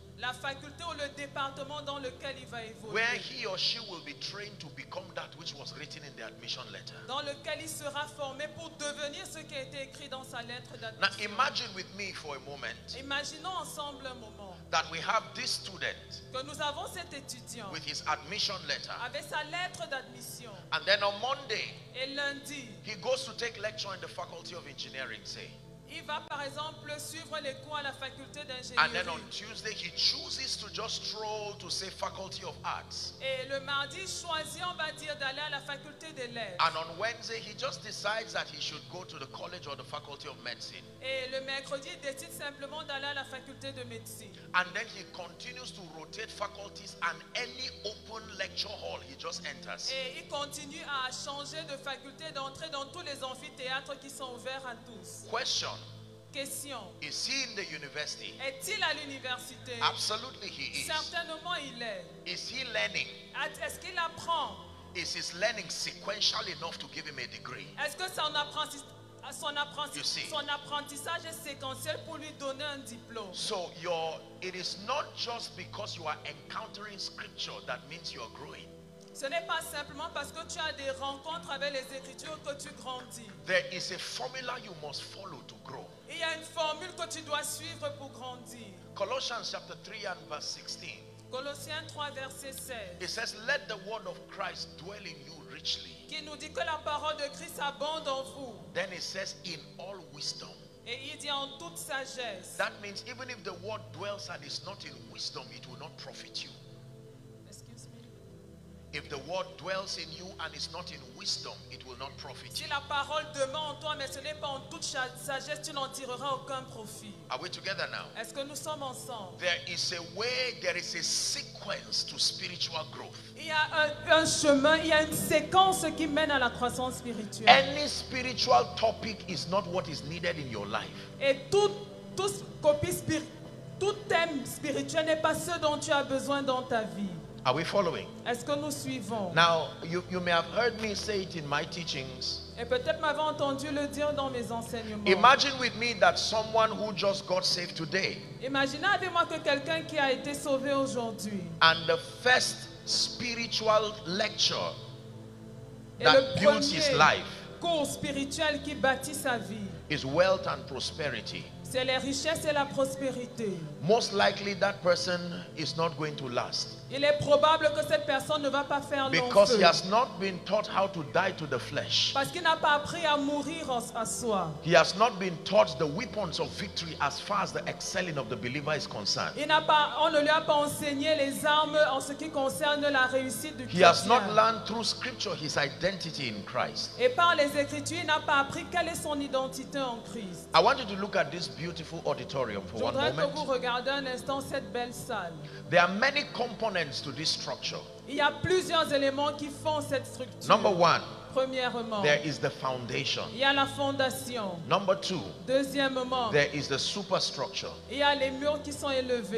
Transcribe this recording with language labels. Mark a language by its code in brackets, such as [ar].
[fr] La faculté ou le département dans lequel il va évoluer. [en] Where he or she will be trained to become that which was written in the admission letter. [fr] Dans lequel il sera formé pour devenir ce qui a été écrit dans sa lettre d'admission. [en] Now imagine with me for a moment. [fr] Imaginons ensemble un moment. [en] That we have this student. [fr] Que nous avons cet étudiant. [en] With his admission letter. [fr] Avec sa lettre d'admission. [en] And then on Monday. [fr] Et lundi. [en] He goes to take lecture in the faculty of engineering, say. [fr] Il va par exemple suivre les cours à la faculté d'ingénierie. [en] And then on Tuesday he chooses to just stroll to say Faculty of Arts. [fr] Et le mardi choisit on va dire d'aller à la faculté des lettres. [en] And on Wednesday he just decides that he should go to the college or the Faculty of Medicine. [fr] Et le mercredi il décide simplement d'aller à la faculté de médecine. [en] And then he continues to rotate faculties and any open lecture hall he just enters. [fr] Et il continue à changer de faculté, d'entrer dans tous les amphithéâtres qui sont ouverts à tous. [en] Question. Is he in the university? [fr] Est-il à l'université? [en] Absolutely he is. [fr] Certainement il est. [en] Is he learning? [fr] Est-ce qu'il apprend? [en] Is his learning sequential enough to give him a degree? [fr] Est-ce que son apprentissage est séquentiel pour lui donner un diplôme? [en] So your it is not just because you are encountering scripture that means you are growing. [fr] Ce n'est pas simplement parce que tu as des rencontres avec les Écritures que tu grandis. [en] There is a formula you must follow to grow. [fr] Il y a une formule que tu dois suivre pour grandir. [en] Colossians chapter 3 and verse 16. [fr] Colossiens 3 verset 16. [en] It says, "Let the word of Christ dwell in you richly." [fr] Qui nous dit que la parole de Christ abonde en vous. [en] Then it says, "In all wisdom." [fr] Et il dit en toute sagesse. [en] That means even if the word dwells and is not in wisdom, it will not profit you. If the word dwells in you and is not in wisdom, it will not profit you. [fr] Si la parole demeure en toi, mais ce n'est pas en toute sagesse, tu n'en tireras aucun profit. [en] Are we together now? [fr] Est-ce que nous sommes ensemble? [en] There is a way, there is a sequence to spiritual growth. [fr] Il y a un chemin, il y a une séquence qui mène à la croissance spirituelle. [en] Any spiritual topic is not what is needed in your life. [fr] Et tout thème spirituel n'est pas ce dont tu as besoin dans ta vie. [en] Are we following? [fr] Est-ce que nous suivons? [en] Now, you may have heard me say it in my teachings. [fr] Et peut-être m'avez entendu le dire dans mes enseignements. [en] Imagine with me that someone who just got saved today. [fr] Imaginez avec moi que quelqu'un qui a été sauvé aujourd'hui. [en] And the first spiritual lecture that builds his life. [fr] Cours spirituel qui bâtit sa vie. [en] Is wealth and prosperity. [fr] C'est les richesses et la prospérité. [en] Most likely that person is not going to last. [fr] Il est probable que cette personne ne va pas faire long feu. [en] Because he has not been taught how to die to the flesh. [fr] Parce qu'il n'a pas appris à mourir à soi. [en] He has not been taught the weapons of victory as far as the excelling of the believer is concerned. [fr] On ne lui a pas enseigné les armes en ce qui concerne la réussite du chrétien. [en] He has not learned through scripture his identity in Christ. [fr] Et par les écritures, il n'a pas appris quelle est son identité en Christ. [en] I want you to look at this beautiful auditorium for one moment. [fr] Je voudrais que vous regardiez un instant cette belle salle. [en] There are many components to this structure. [fr] Il y a plusieurs éléments qui font cette structure. [en] Number one, [fr] premièrement, [en] there is the foundation. [fr] Il y a la fondation. [en] Number two, [fr] deuxièmement, [en] there is the superstructure. [fr] Il y a les murs qui sont élevés.